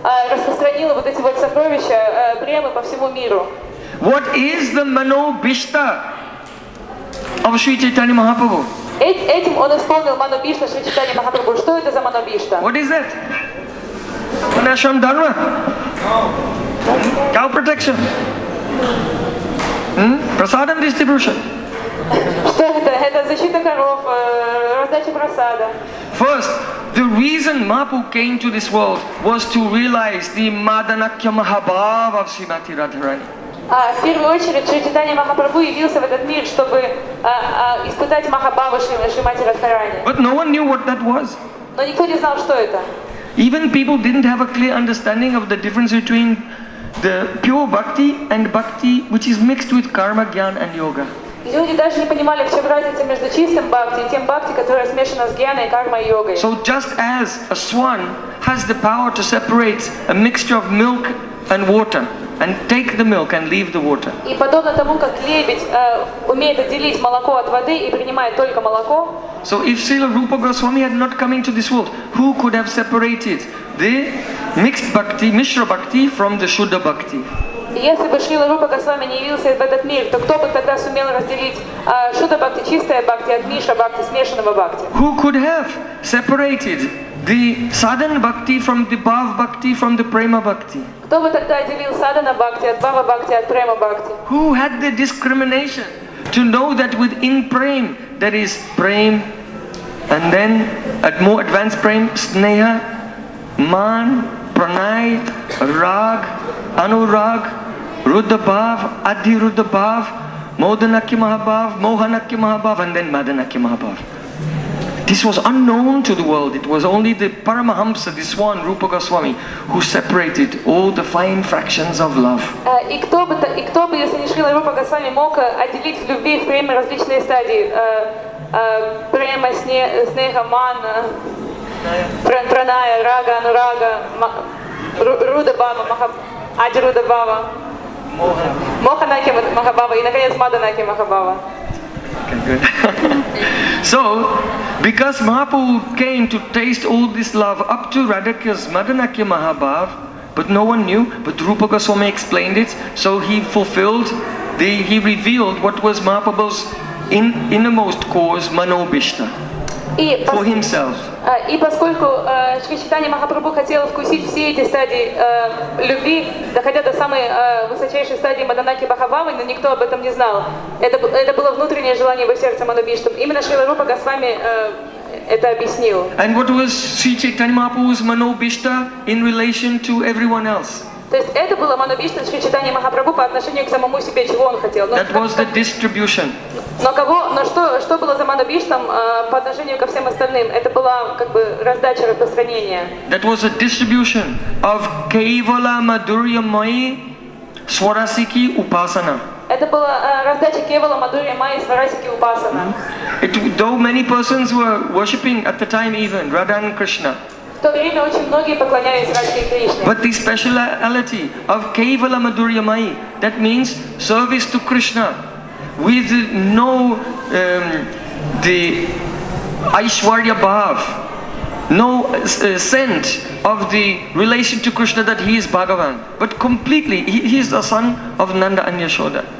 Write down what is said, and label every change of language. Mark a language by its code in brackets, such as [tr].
[ru] распространила вот эти вот сокровища премы по всему миру. [en] What is the mano bhishta of Sri Chaitanya Mahaprabhu? [ru] Этим он исполнил mano bhishta Sri Chaitanya Mahaprabhu. Что это за mano bhishta? [en] What is that? Nasham dharma. Cow protection. Prasadam distribution. [ru] Что это? Это защита коров, раздача просада. [en] First, the reason Mahaprabhu came to this world was to realize the Madanakya Mahabhava of Srimati Radharani. [ru] В первую очередь Шри Чайтанья Махапрабху явился в этот мир, чтобы испытать Махабхаву Шримати Радхарани. [en] But no one knew what that was. [ru] Но никто не знал, что это. [en] Even people didn't have a clear understanding of the difference between the pure bhakti and bhakti, which is mixed with karma, jnana and yoga. [ru] Люди даже не понимали, в чем разница между чистым бхакти и тем бхакти, которое смешано с гьяной, кармой и йогой. [en] So just as a swan has the power to separate a mixture of milk and water, and take the milk and leave the water. [ru] И подобно тому, как лебедь умеет отделить молоко от воды и принимает только молоко. [en] So if Srila Rupa Goswami had not come into this world, who could have separated the mixed bhakti, mishra bhakti, from the shuddha bhakti? [ru] Если бы Шрила Рупа Госвами не явился в этот мир, то кто бы тогда сумел разделить шуддха бхакти, чистая бхакти, от мишра бхакти, смешанного бхакти? [en] Who could have separated the sadhana bhakti from the bhava bhakti from the prema bhakti? [ru] Кто бы тогда отделил sadhana bhakti от bhava bhakti от prema bhakti? [en] Who had the discrimination to know that within prem there is prem, and then at more advanced prem sneha, man, pranayat, rag, anurag, ruddhabhav, adhiruddhabhav, modanakya mahabhav, mohanakya mahabhav, and then madanakya mahabhav. This was unknown to the world. It was only the Paramahamsa, the swan, Rupa Goswami, who separated all the fine fractions of love. [ru] И кто бы, если не Шрила Рупа Госвами, мог отделить в любви, в преме различные стадии? Према, снега, манна, праная, рага, анурага, рудабава, адирудабава, моханаки махабава и, наконец, маданаки махабава. [en] So, because Mahaprabhu came to taste all this love up to Radhika's Madanakya Mahabhav, but no one knew, but Rupa Goswami explained it, so he fulfilled, he revealed what was Mahaprabhu's innermost cause, Mano Bhishta, for himself. [ru] И поскольку Шри Чайтанья Махапрабху хотел вкусить все эти стадии любви, доходя до самой высочайшей стадии Маданаки Бахабавы, но никто об этом не знал, это было внутреннее желание его сердца Манубиштам. Именно Шрила Рупа Госвами это объяснил. [en] And what was Sri Chaitanya Mahaprabhu's Manubhishta in relation to everyone else? [ru] То есть это было Манубишта Шри Чайтанья Махапрабху по отношению к самому себе, чего он хотел. [en] That was the distribution. [ru] Но что было за Манубиштом по отношению ко всем остальным? Это была как бы раздача, распространение. [en] That was a distribution of Kevala Madhurya Mai Swarasiki Upasana. [ru] Это была раздача Kevala Madhurya Mai Swarasiki Upasana. [en] Though many persons were worshipping at the time even Radha and Krishna. [ru] В то время очень многие поклоняются Радхе и Кришне. [en] But the speciality of Kevala Madhurya Mai, that means service to Krishna with no the Aishwarya Bhav, no scent of the relation to Krishna that he is Bhagavan, but completely he is the son of Nanda and Yashoda.